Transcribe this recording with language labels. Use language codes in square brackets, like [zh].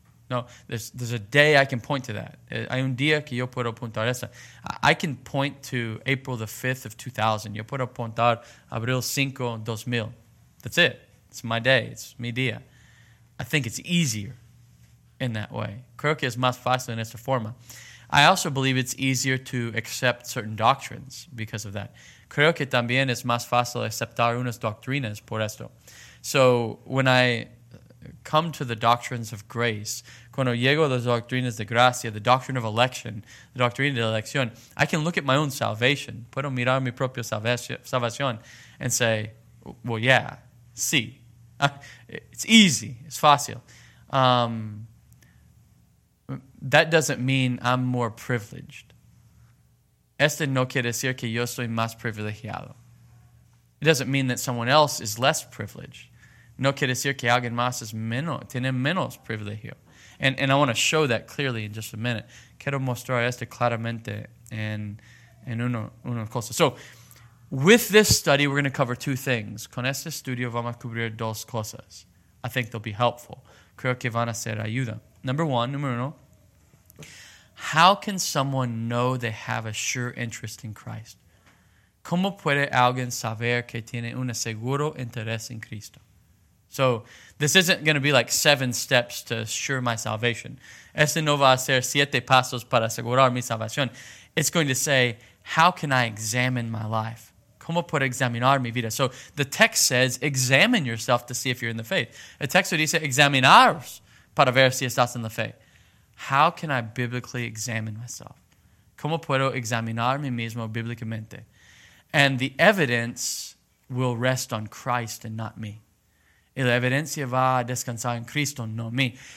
[en] No, there's a day I can point to that. [es] Hay un día que yo puedo apuntar esa. [en] I can point to April the 5th of 2000. [es] Yo puedo apuntar Abril 5, 2000. [en] That's it. It's my day. It's [es] mi día. [en] I think it's easier in that way. [es] Creo que es más fácil en esta forma. [en] I also believe it's easier to accept certain doctrines because of that. [es] Creo que también es más fácil aceptar unas doctrinas por esto. [en] So when I come to the doctrines of grace, [es] cuando llego a las doctrinas de gracia, [en] the doctrine of election, the doctrine [es] de elección, [en] I can look at my own salvation. [es] Puedo mirar mi propia salvación [en] and say, well, yeah, sí. It's easy. It's fácil. That doesn't mean I'm more privileged. [es] Este no quiere decir que yo soy más privilegiado. [en] It doesn't mean that someone else is less privileged. [es] No quiere decir que alguien más es menos, tiene menos privilegio. [en] And I want to show that clearly in just a minute. [es] Quiero mostrar esto claramente en una cosa. [en] So, with this study, we're going to cover two things. [es] Con este estudio vamos a cubrir dos cosas. [en] I think they'll be helpful. [es] Creo que van a ser ayuda. Número uno. [en] How can someone know they have a sure interest in Christ? [es] ¿Cómo puede alguien saber que tiene un seguro interés en Cristo? [en] So, this isn't going to be like seven steps to assure my salvation. [es] Este no va a ser siete pasos para asegurar mi salvación. [en] It's going to say, how can I examine my life? [es] ¿Cómo puedo examinar mi vida? [en] So, the text says, examine yourself to see if you're in the faith. [es] El texto dice, examinaros para ver si estás en la fe. [en] How can I biblically examine myself? [es] ¿Cómo puedo examinar mí mismo bíblicamente? [en] And the evidence will rest on Christ and not me. [es] Y la evidencia va a descansar en Cristo, no mí.